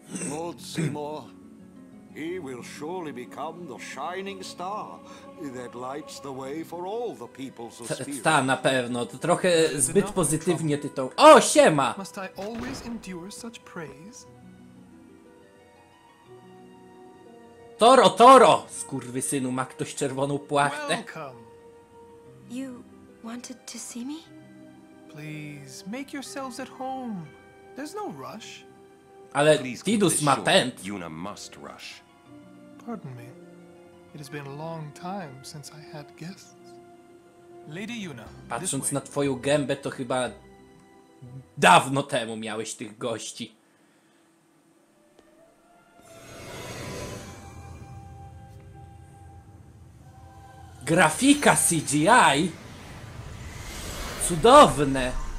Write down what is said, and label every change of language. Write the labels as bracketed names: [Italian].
[English] Lord Seymour, he will surely become the shining star that lights the way for all the peoples of Spira. [Polish] Ta na pewno, to trochę zbyt pozytywnie ty to. O, siema! [English] Must I always endure such praise? [Spanish] Toro, Toro! [Polish] Skurwysynu, ma ktoś czerwoną płachtę? [English] Welcome. You wanted to see me? Please, make yourselves at home. There's no rush. [Polish] Ale Tidus ma pęd. [English] Yuna must rush. Pardon me. It has been a long time since I had guests. Lady Yuna, [Polish] patrząc na twoją gębę, to chyba dawno temu miałeś tych gości. Grafika CGI? Cudowne!